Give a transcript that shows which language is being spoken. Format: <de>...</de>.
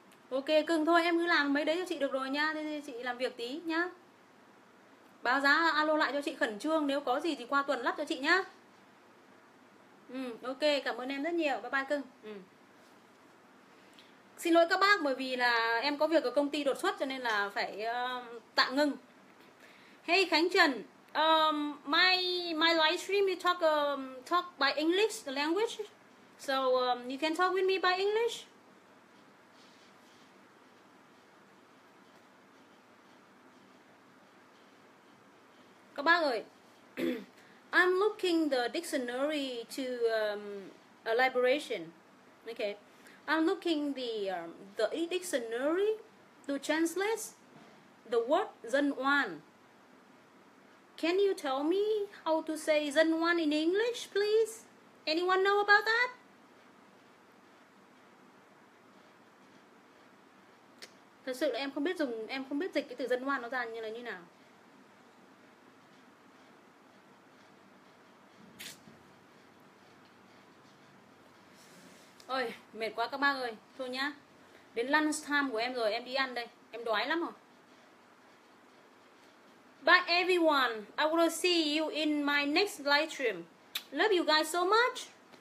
<vi>Ok cưng, thôi em cứ làm mấy đấy cho chị được rồi nhá, thế chị làm việc tí nhá, báo giá alo lại cho chị khẩn trương, nếu có gì thì qua tuần lắp cho chị nhá. Ok, cảm ơn em rất nhiều, bye bye cưng. Xin lỗi các bác, bởi vì là em có việc ở công ty đột xuất cho nên là phải tạm ngưng.</vi> <en>Hey Khánh Trần, my live stream you talk by English language, so you can talk with me by English.</en> <vi>Các bác ơi,</vi> <en>I'm looking the dictionary to a liberation. Okay. I'm looking the dictionary to translate the word dân oan. Can you tell me how to say dân oan in English, please? Anyone know about that?</en> <vi>Thật sự là em không biết dịch cái từ dân oan nó ra như là như nào. Ôi, mệt quá các bác ơi. Thôi nhá. Đến</vi> <en>lunch time</en> <vi>của em rồi, em đi ăn đây. Em đói lắm rồi.</vi> <en>Bye everyone. I will see you in my next live stream. Love you guys so much.</en>